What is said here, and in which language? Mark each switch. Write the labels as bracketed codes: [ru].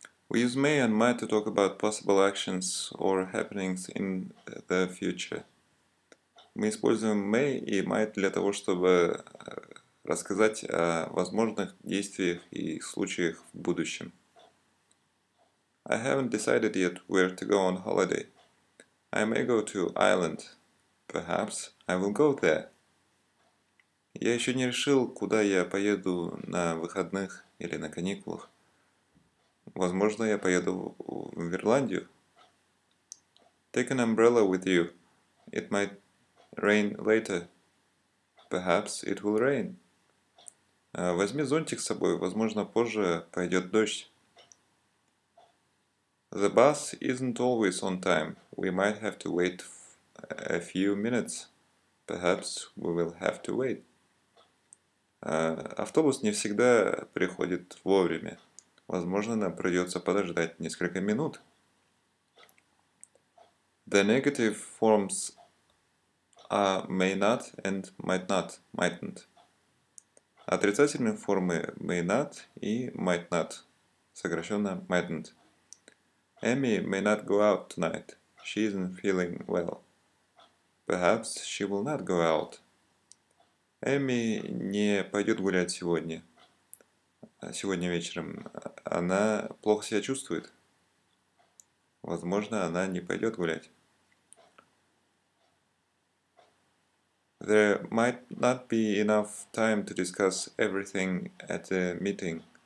[en] We use may and might to talk about possible actions or happenings in the future. [ru] Мы используем may и might для того, чтобы рассказать о возможных действиях и случаях в будущем. [en] I haven't decided yet where to go on holiday. I may go to Ireland. Perhaps I will go there. [ru] Я еще не решил, куда я поеду на выходных или на каникулах. Возможно, я поеду в Ирландию. [en] Take an umbrella with you. It might rain later. Perhaps it will rain. [ru] Возьми зонтик с собой. Возможно, позже пойдет дождь. [en] The bus isn't always on time. We might have to wait a few minutes. Perhaps we will have to wait. [ru] Автобус не всегда приходит вовремя. Возможно, нам придется подождать несколько минут. [en] The negative forms are may not and might not, mightn't. [ru] Отрицательные формы may not и might not, сокращенно mightn't. [en] Amy may not go out tonight. She isn't feeling well. Perhaps she will not go out. [ru] Эми не пойдет гулять сегодня вечером. Она плохо себя чувствует. Возможно, она не пойдет гулять. [en] There might not be enough time to discuss everything at the meeting.